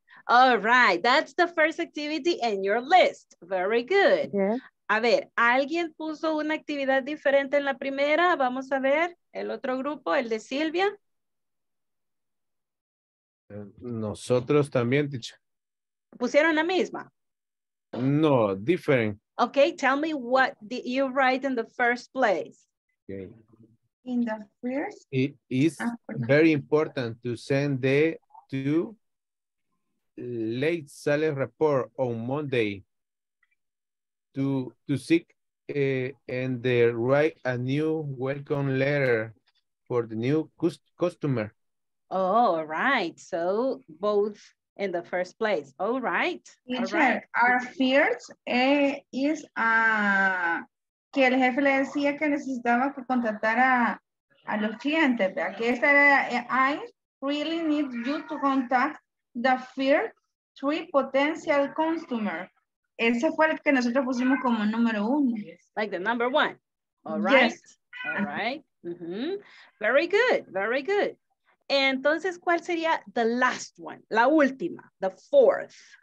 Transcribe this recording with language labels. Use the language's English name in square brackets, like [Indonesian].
[English] All right, that's the first activity in your list. Very good. Yeah. [Spanish] A ver, ¿alguien puso una actividad diferente en la primera? Vamos a ver, el otro grupo, el de Silvia. Nosotros también, teacher. ¿Pusieron la misma? [English] No, different. Okay, tell me what did you write in the first place. Okay. In the first? It is very important to send the two late sales report on Monday to seek and write a new welcome letter for the new customer. Oh, all right. So both in the first place. All right. Our fears is [Spanish] que el jefe le decía que necesitaba que contactara a los clientes. Que esa era, [English] I really need you to contact the first three potential customers. [Spanish] Ese fue el que nosotros pusimos como número uno. [English] Like the number one. All right. Yes. All right. Mm-hmm. Very good. Very good. [Spanish] Entonces, ¿cuál sería [English] the last one? [Spanish] La última, [English] the fourth.